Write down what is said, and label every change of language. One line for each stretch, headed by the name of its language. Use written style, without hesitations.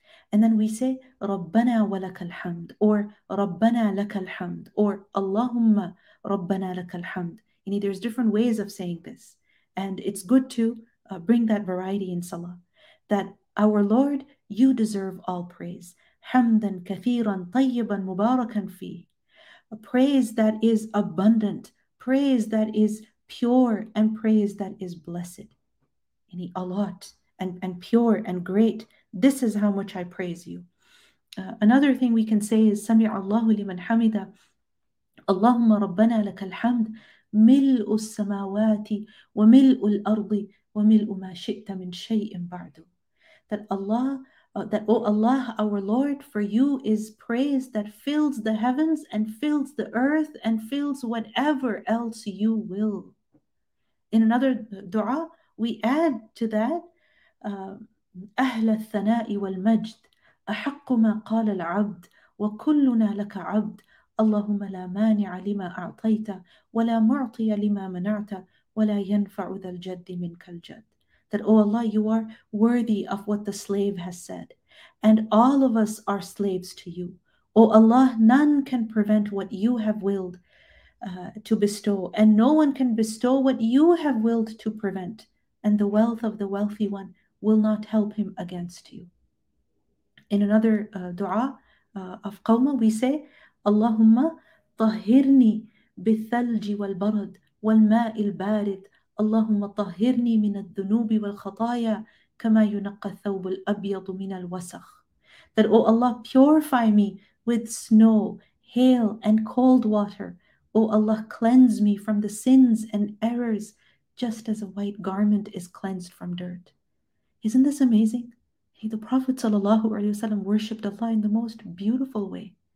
English: And then we say,
Arabic: "Rabbana walakal hamd," or "Rabbana lakal hamd," or "Allahumma ربنا لك الحمد.
English: يعني there's different ways of saying this, and it's good to bring that variety in salah, that our Lord, you deserve all praise.
Arabic: حمدًا كثيرًا طيبًا مباركًا فيه.
English: A praise that is abundant, praise that is pure, and praise that is blessed. Yani a lot, and pure and great. This is how much I praise you. Another thing we can say is
Arabic: سمع الله لمن حمده. اللهم ربنا لك الحمد ملء السماوات وملء الأرض وملء ما شئت من شيء بعد.
English: That Allah, that O Allah, our Lord, for you is praise that fills the heavens and fills the earth and fills whatever else you will. In another dua, we add to that,
Arabic: أهل الثناء والمجد أحق ما قال العبد وكلنا لك عبد اللهم لا مانع لما أعطيت ولا معطي لما منعت ولا ينفع ذا الجد منك الجد.
English: That, O Allah, you are worthy of what the slave has said. And all of us are slaves to you. O Allah, none can prevent what you have willed to bestow. And no one can bestow what you have willed to prevent. And the wealth of the wealthy one will not help him against you. In another dua of Qawma, we say,
Arabic: Allahumma tahhirni bithalji walbarad walma'i albarid. اللهم طهرني من الذنوب والخطايا كما ينقى الثوب الأبيض من الوسخ.
English: That, O Allah, purify me with snow, hail, and cold water. O Allah, cleanse me from the sins and errors, just as a white garment is cleansed from dirt. Isn't this amazing? Hey, the Prophet ﷺ worshipped Allah in the most beautiful way.